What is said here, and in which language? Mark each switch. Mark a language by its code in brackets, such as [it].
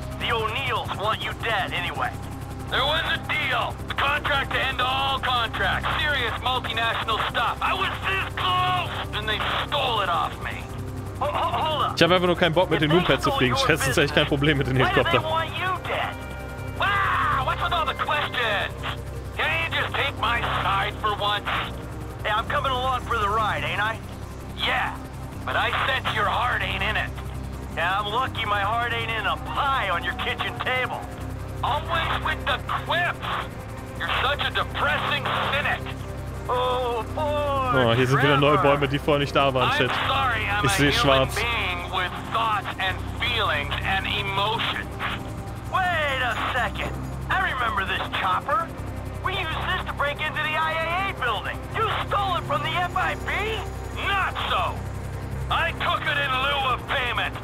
[en] The O'Neils want you dead anyway. There was a deal. The contract to end all contracts. Serious multinational stuff. I was this close! And they stole it off me. Hold up. [de] Ich hab einfach nur keinen Bock mit den Moonpads zu fliegen. Ich hätte echt kein Problem mit den Helikoptern. [en] Why do they want you dead? Wow, what's with all the questions? Can you just take my side for once? Hey, I'm coming along for the ride, ain't I? Yeah, but I sense your heart ain't in it. Yeah, I'm lucky my heart ain't in a pie on your kitchen table. Always with the quips. You're such a depressing cynic. Oh, boy. [de] Oh, hier sind wieder neue Bäume, die vorher nicht da waren, Shit. [en] I'm sorry, I'm a human being with thoughts and feelings and emotions. Wait a second. I remember this chopper. We used this to break into the IAA building. You stole it from the FIB? Not so. I took it in lieu of payment.